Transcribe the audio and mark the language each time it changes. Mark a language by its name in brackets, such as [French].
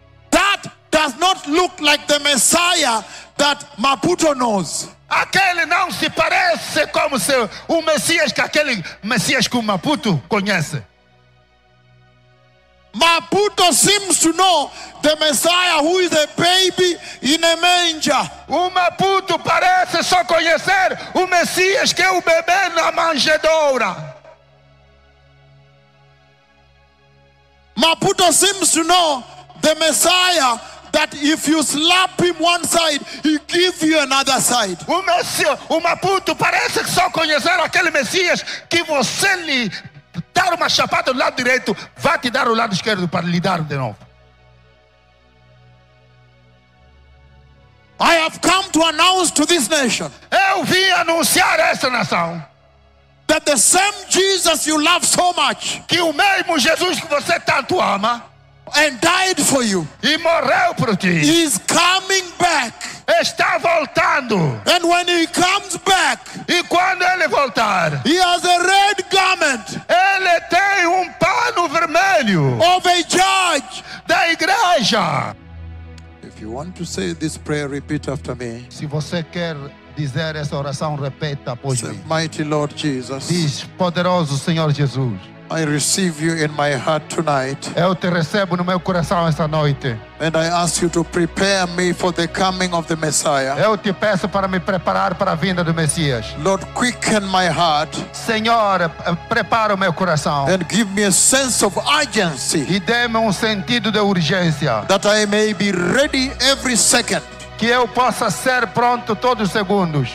[English] That does not look like the Messiah that Maputo knows. [Portuguese] Aquele não se parece como se o Messias que aquele Messias que o Maputo conhece. [English] Maputo seems to know the Messiah who is a baby in a manger. [Portuguese] O Maputo parece só conhecer o Messias que é o bebê na manjedoura. [English] Maputo seems to know the Messiah that if you slap him one side, he gives you another side. [Portuguese] O Messias, o Maputo, parece que só conhecer aquele Messias que você lhe dar uma chapada do lado direito, vai te dar o lado esquerdo para lhe dar de novo. [English] I have come to announce to this nation. [Portuguese] Eu vim anunciar essa nação. [English] That the same Jesus you love so much. [Portuguese] Que o mesmo Jesus que você tanto ama. [English] And died for you. [Portuguese] E morreu por ti. [English] He's coming back. [Portuguese] Está voltando. [English] And when he comes back. [Portuguese] E quando ele voltar. [English] He has a red garment. [Portuguese] Ele tem pano vermelho. [English] Of a judge. [Portuguese] Da igreja. [English] If you want to say this prayer, repeat after me. [Portuguese] Se você quer dizer essa oração, repita após mim. [English] Mighty Lord Jesus. [Portuguese] Diz, poderoso Senhor Jesus. [English] I receive you in my heart tonight. [Portuguese] Eu te recebo no meu coração esta noite. [English] And I ask you to prepare me for the coming of the Messiah. [Portuguese] Eu te peço para me preparar para a vinda do Messias. [English] Lord, quicken my heart. [Portuguese] Senhor, prepara o meu coração. [English] And give me a sense of urgency. [Portuguese] E dê-me sentido de urgência. [English] That I may be ready every second. [Portuguese] Que eu possa ser pronto todos os segundos.